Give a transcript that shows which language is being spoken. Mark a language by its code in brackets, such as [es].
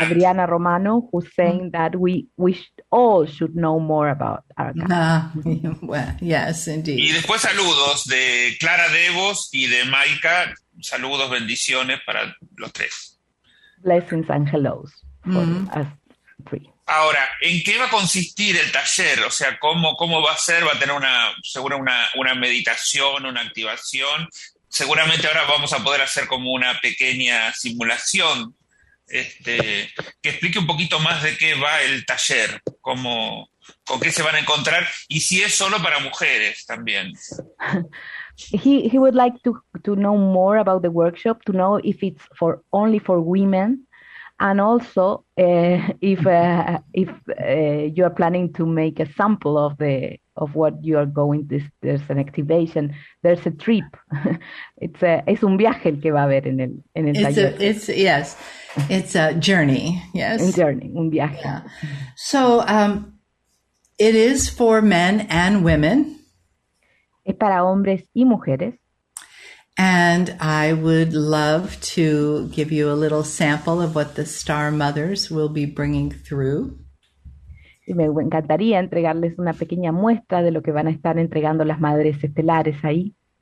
[en] Adriana Romano, who's saying that all should know more about our Akasha. Well, yes, indeed. [es] Y después saludos de Clara Devos y de Maika. Saludos, bendiciones para los tres. [en] Blessings and hellos for us three. [es] Ahora, ¿en qué va a consistir el taller? O sea, ¿cómo va a ser? ¿Va a tener una meditación, una activación? Seguramente ahora vamos a poder hacer como una pequeña simulación que explique un poquito más de qué va el taller, con qué se van a encontrar y si es solo para mujeres también. [en] He would like to know more about the workshop, to know if it's only for women, and also if you are planning to make a sample of what you are going. There's an activation, there's a trip. [es] Es un viaje el que va a haber en el taller. [en] It's a journey, yes. [es] Un viaje. Yeah. [en] So it is for men and women. [es] Es para hombres y mujeres. [en] And I would love to give you a little sample of what the Star Mothers will be bringing through. [es] Y me encantaría entregarles una pequeña muestra de lo que van a estar entregando las Madres Estelares ahí.